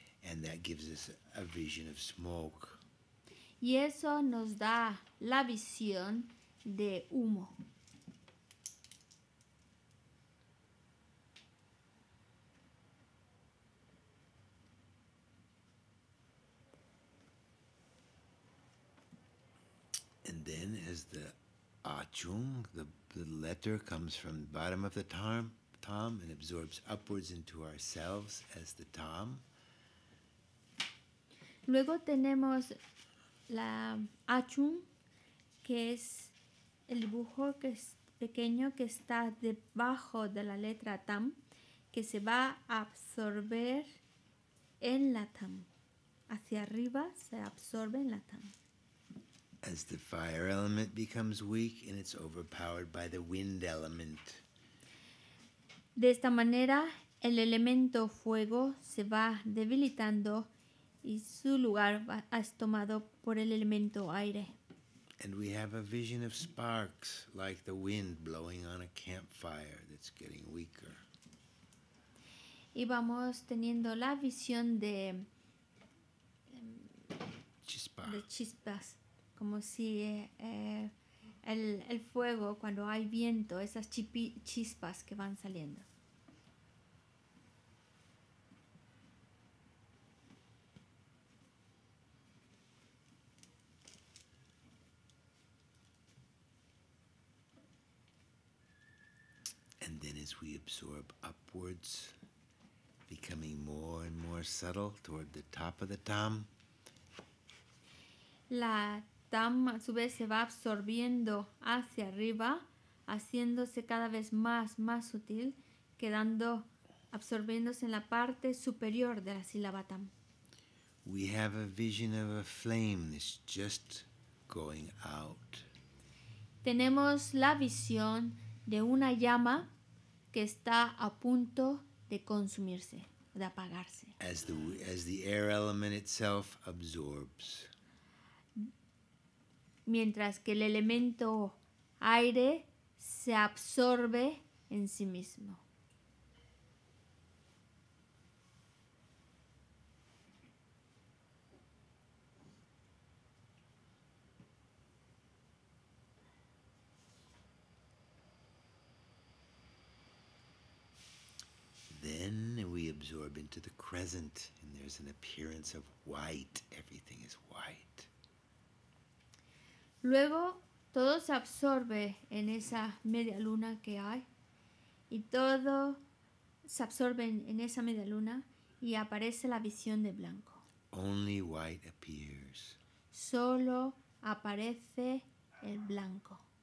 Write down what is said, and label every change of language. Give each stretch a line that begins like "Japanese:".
English: And that gives us a vision of smoke.
Spanish: Y eso nos da la visión de humo.
English: And then as the achung, the letter comes from the bottom of the tom and absorbs upwards into ourselves as the tom.
Spanish: Luego tenemos la achung, que es el dibujo que es pequeño, que está debajo de la letra tam, que se va a absorber en la tam. Hacia arriba se absorbe en la tam.
English: As the fire element becomes weak and it's overpowered by the wind element.
Spanish: De esta manera, el elemento fuego se va debilitando y su lugar es tomado por el elemento aire.
English: And we have a vision of sparks like the wind blowing on a campfire that's getting weaker.
Spanish: Y vamos teniendo la visión de chispas, como si el fuego cuando hay viento, esas chispas que van saliendo.
English: And then as we absorb upwards, becoming more and more subtle toward the top of the tam.
Spanish: La tam a su vez se va absorbiendo hacia arriba, haciéndose cada vez más sutil, quedando absorbiéndose en la parte superior de la sílaba tam.
English: We have a vision of a flame that's just going out.
Spanish: Tenemos la visión de una llama que está a punto de consumirse, de apagarse.
English: As the air element itself absorbs.
Spanish: Mientras que el elemento aire se absorbe en sí mismo.
English: Then we absorb into the crescent, and there's an appearance of white. Everything is white.
Spanish: Luego todo se absorbe en esa media luna que hay, y todo se absorbe en esa media luna y aparece la visión de blanco.
English: Only white appears.
Spanish: Solo aparece el blanco.